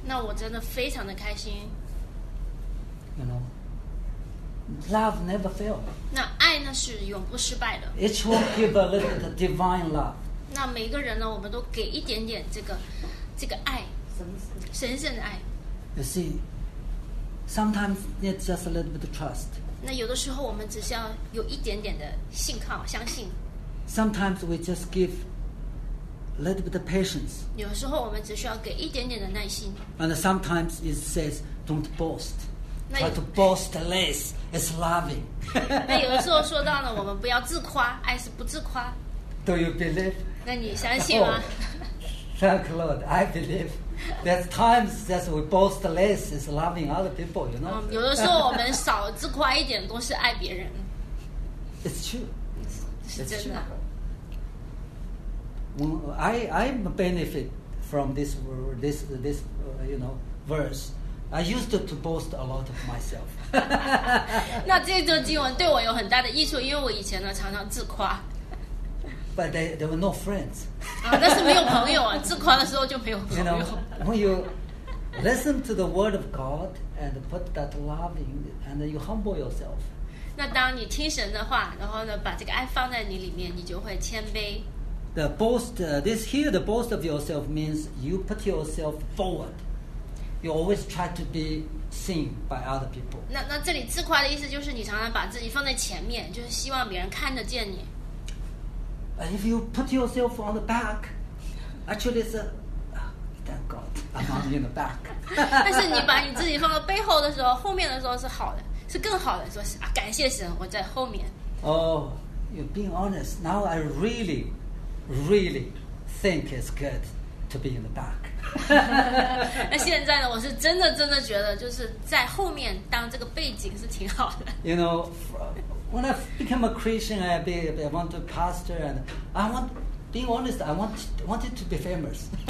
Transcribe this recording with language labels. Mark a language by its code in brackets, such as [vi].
[zh] 那我真的非常的开心。 [en] You know, love never fails. [zh] 那爱呢是永不失败的。 [en] Each one give a little divine love. [zh] 那每个人呢，我们都给一点点这个爱，神圣的爱。 [en] You see. Sometimes it's just a little bit of trust. [zh] 那有的时候我们只需要有一点点的信靠，相信。 [en] Sometimes we just give a little bit of patience. [zh] 有时候我们只需要给一点点的耐心。 [en] And sometimes it says, "Don't boast." Try to boast less. It's loving. [zh] 那有的时候说到呢，我们不要自夸，爱是不自夸。 [en] Do you believe? [zh] 那你相信吗？ [en] Thank Lord, I believe. There's times that we boast less is loving other people, you know. [zh] 有的时候我们少自夸一点，都是爱别人。 [en] It's true. [zh] 是真的。 [en] I benefit from this you know verse. I used to boast a lot of myself. [zh] 那这段经文对我有很大的益处，因为我以前呢常常自夸。 [en] But they were no friends. [zh] 但是没有朋友啊，自夸的时候就没有朋友。 [en] You know, when you listen to the word of God and put that love in, and you humble yourself. [zh] 那当你听神的话，然后呢，把这个爱放在你里面，你就会谦卑。 [en] The boast, this here, the boast of yourself means you put yourself forward. You always try to be seen by other people. [zh] 那这里自夸的意思就是你常常把自己放在前面，就是希望别人看得见你。 [en] If you put yourself on the back, actually, it's a, thank God, I'm not in the back. [zh] 但是你把你自己放到背后的时候，后面的时候是好的，是更好的，说是啊，感谢神，我在后面。 [en] Oh, you're being honest. Now I really, really think it's good to be in the back. [zh] 那现在呢，我是真的真的觉得就是在后面当这个背景是挺好的。 [en] You know, when I became a Christian, I want to pastor, and I want, being honest, I wanted to be famous.